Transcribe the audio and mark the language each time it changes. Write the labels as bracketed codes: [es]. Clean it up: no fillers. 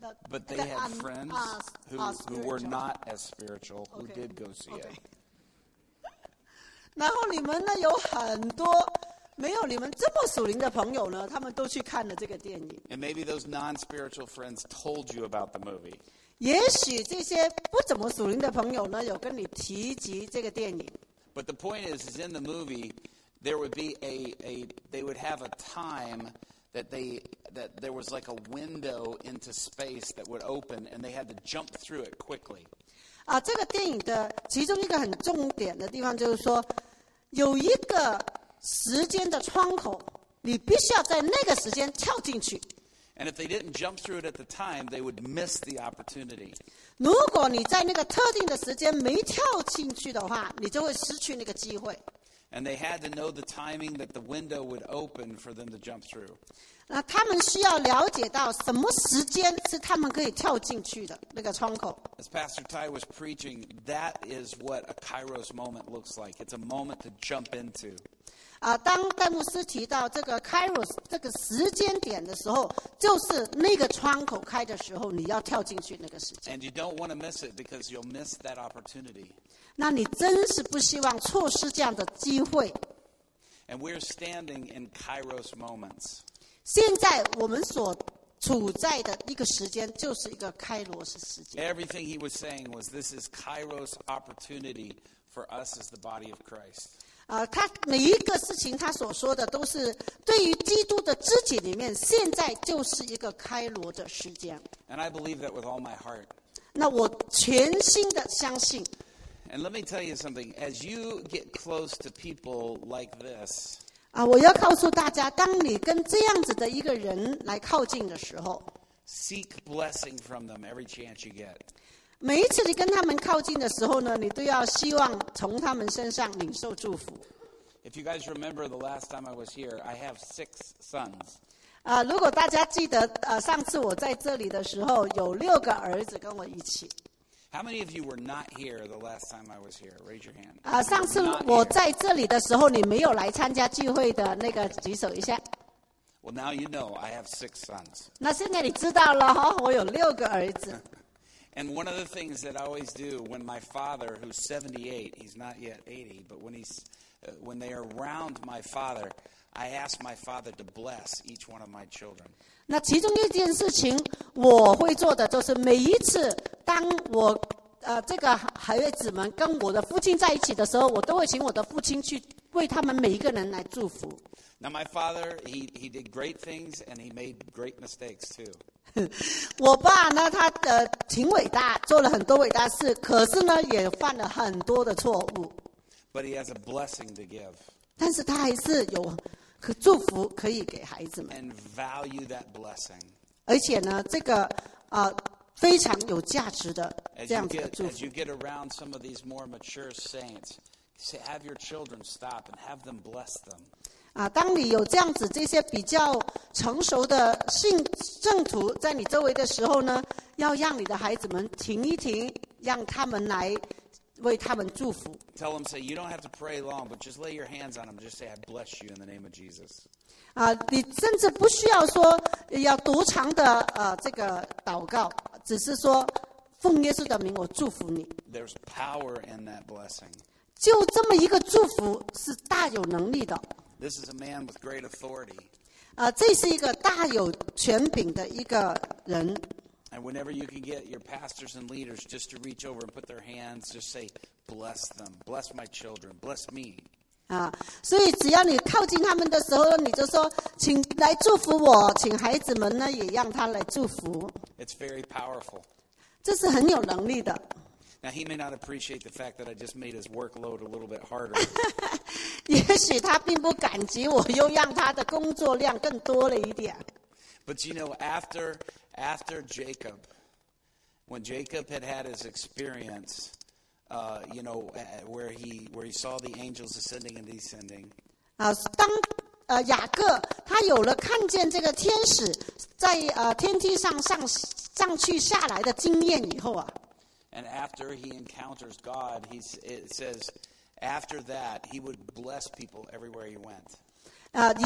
[en] But they had friends who were not as spiritual who did go see it. [zh] 然后你们呢，有很多。没有你们这么属灵的朋友呢，他们都去看了这个电影。 [en] And maybe those non-spiritual friends told you about the movie. [zh] 也许这些不怎么属灵的朋友呢，有跟你提及这个电影。 [en] But the point is in the movie, there would be they would have a time that there was like a window into space that would open, and they had to jump through it quickly. [zh] 这个电影的其中一个很重点的地方就是说，有一个。时间的窗口，你必须要在那个时间跳进去。 [en] And if they didn't jump through it at the time, they would miss the opportunity. [zh] 如果你在那个特定的时间没跳进去的话，你就会失去那个机会。 [en] And they had to know the timing that the window would open for them to jump through. [zh] 那他们需要了解到什么时间是他们可以跳进去的那个窗口。 [en] As Pastor Ty was preaching, that is what a Kairos moment looks like. It's a moment to jump into. [zh] 啊，当戴牧师提到这个 Kairos 这个时间点的时候，就是那个窗口开的时候，你要跳进去那个时间。 [en] And you don't want to miss it because you'll miss that opportunity. [zh] 那你真是不希望错失这样的机会。 [en] And we're standing in Kairos moments. [zh] 现在我们所处在的一个时间就是一个开罗斯时间。 [en] Everything he was saying was this is Kairos opportunity for us as the body of Christ. [zh] 他每一个事情他所说的都是对于基督的肢体里面现在就是一个开罗的时间。 [en] And I believe that with all my heart. [zh] 那我全心的相信。 [en] And let me tell you something, as you get close to people like this, [zh] 我要告诉大家，当你跟这样子的一个人来靠近的时候， [en] seek blessing from them every chance you get. [zh] 每一次你跟他们靠近的时候呢，你都要希望从他们身上领受祝福。 [en] If you guys remember the last time I was here, I have 6 sons. [zh] 如果大家记得，上次我在这里的时候，有六个儿子跟我一起。 [en] How many of you were not here the last time I was here? Raise your hand. [zh] 上次我在这里的时候，你没有来参加聚会的那个，举手一下。 [en] Well, now you know I have 6 sons. [zh] 那现在你知道了，我有六个儿子。 [en] And one of the things that I always do when my father, who's 78, he's not yet 80, but when they are around my father, I ask my father to bless each one of my children. [zh] 那其中一件事情我会做的就是每一次当我这个孩子们跟我的父亲在一起的时候，我都会请我的父亲去为他们每一个人来祝福。 [en] Now my father, he did great things and he made great mistakes too. [zh] 我爸呢，他挺伟大，做了很多伟大事，可是呢，也犯了很多的错误。 [en] But he has a blessing to give. [zh] 但是他还是有祝福可以给孩子们。 [en] And value that blessing. [zh] 而且呢，这个非常有价值的这样子的祝福。 [en] As you get around some of these more mature saints, say, have your children stop and have them bless them. [zh] 当你有这样子这些比较成熟的信圣徒在你周围的时候呢，要让你的孩子们停一停，让他们来为他们祝福。 [en] Tell them, say, you don't have to pray long, but just lay your hands on them. Just say, I bless you in the name of Jesus. [zh] 你甚至不需要说要多长的这个祷告。只是说奉耶稣的名我祝福你。 [en] There's power in that blessing. [zh] 就这么一个祝福是大有能力的。 [en] This is a man with great authority. [zh] 这是一个大有权柄的一个人。 [en] And whenever you can get your pastors and leaders just to reach over and put their hands, just say, bless them, bless my children, bless me. [zh] 所以只要你靠近他们的时候你就说请来祝福我请孩子们呢也让他来祝福 [en] It's very powerful. [zh] 这是很有能力的 [en] Now he may not appreciate the fact that I just made his workload a little bit harder [zh] 也许他并不感激我又让他的工作量更多了一点 [en] But you know after Jacob when Jacob had had his experienceyou know, where he saw the angels ascending and descending. [zh] 当雅各他有了看见这个天使在天梯上去下来的经验以后啊。 [en] And after he encounters God, it says, after that, he would bless people everywhere he went.